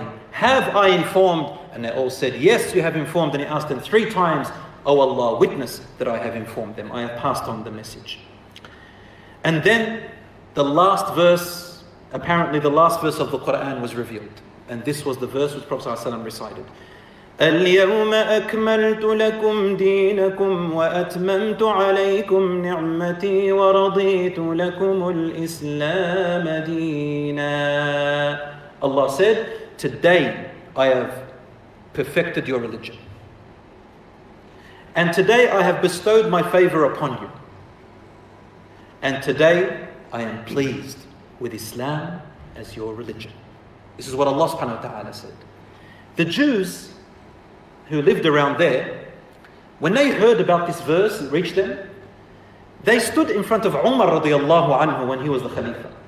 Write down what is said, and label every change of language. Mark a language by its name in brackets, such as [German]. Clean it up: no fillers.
[English] Have I informed? And they all said, yes, you have informed. And he asked them three times, O Allah, witness that I have informed them. I have passed on the message. And then the last verse, apparently the last verse of the Quran was revealed. And this was the verse which Prophet ﷺ recited. [Arabic] اليوم أكملت لكم دينكم وأتممت عليكم نعمتي ورضيت لكم الإسلام دينا. [English] Allah said, today I have perfected your religion. And today I have bestowed my favor upon you. And today I am pleased with Islam as your religion. This is what Allah subhanahu wa ta'ala said. The Jews who lived around there, when they heard about this verse and reached them, they stood in front of Umar radiallahu anhu when he was the Khalifa.